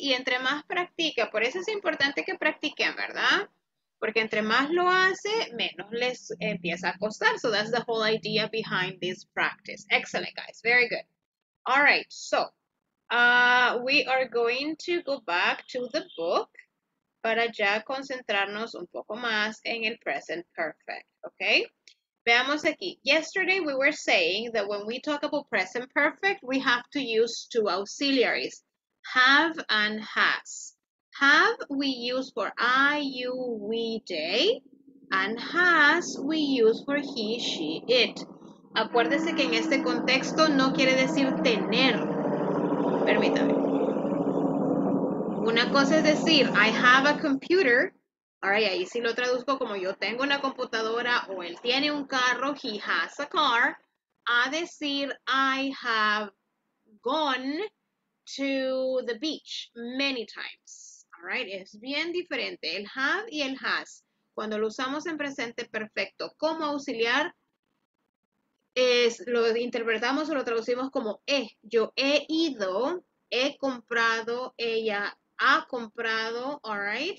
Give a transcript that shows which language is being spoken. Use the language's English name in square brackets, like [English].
[Spanish] Y entre más practica, por eso es importante que practiquen, ¿verdad? Porque entre más lo hace, menos les empieza a costar. [English] So that's the whole idea behind this practice. Excellent, guys. Very good. All right. So, we are going to go back to the book [Spanish] para ya concentrarnos un poco más en el present perfect, okay? Veamos aquí. [English] Yesterday we were saying that when we talk about present perfect, we have to use two auxiliaries, have and has. Have we use for I, you, we, they, and has we use for he, she, it. [Spanish] Acuérdese que en este contexto no quiere decir tener. Permítame. Una cosa es decir, [English] I have a computer. All right, [Spanish] ahí sí lo traduzco como yo tengo una computadora o él tiene un carro, [English] he has a car. [Spanish] A decir, [English] I have gone to the beach many times. All right, [Spanish] es bien diferente. El have y el has, cuando lo usamos en presente perfecto como auxiliar, es, lo interpretamos o lo traducimos como he. Yo he ido, he comprado, ella ha comprado, [English] all right?